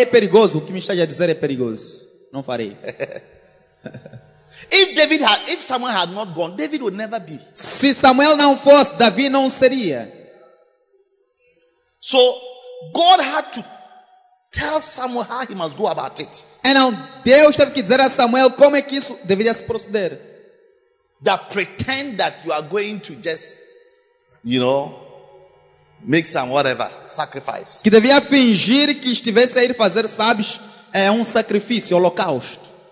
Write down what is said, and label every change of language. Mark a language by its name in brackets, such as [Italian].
[Portuguese] É perigoso. O que me está a dizer é perigoso. Não farei. [English] If Samuel had not gone, David would never be. [Portuguese] Se Samuel não fosse, Davi não seria. [English] So God had to tell Samuel how he must go about it. And now [Portuguese] Deus teve que dizer a Samuel como é que isso deveria se proceder. [English] That pretend that you are going to just, you know, make some whatever sacrifice. [Portuguese] Que devia fingir que estivesse a ir fazer, sabes, sacrifício, holocausto.